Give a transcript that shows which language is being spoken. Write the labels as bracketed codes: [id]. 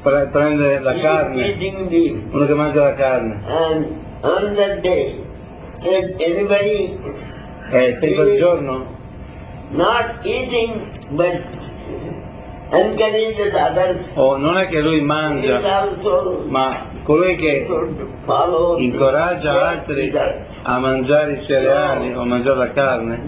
[it] Prende la carne, uno che mangia la carne. [en] And on that day, if anybody, [it] se quel giorno, [en] not eating, but encourages others, [it] non è che lui mangia, [en] also, [it] ma colui che incoraggia altri a mangiare i cereali o mangiare la carne,